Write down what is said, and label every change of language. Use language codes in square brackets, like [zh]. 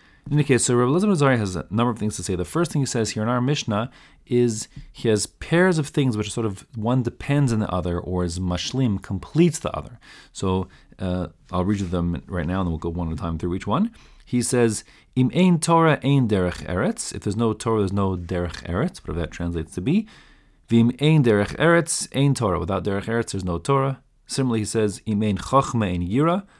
[en] In any case, so Rabbi Elazar ben Azariah has a number of things to say. The first thing he says here in our Mishnah is he has pairs of things which are sort of one depends on the other or is mashlim, completes the other. So I'll read you them right now and then we'll go one at a time through each one. He says, [he] Im ein Torah ein derech eretz. [en] If there's no Torah, there's no derech eretz, whatever that translates to be. [he] Vim ein derech eretz, ein Torah. [en] Without derech eretz, there's no Torah. Similarly, he says, [he] Im ein chochma ein yira.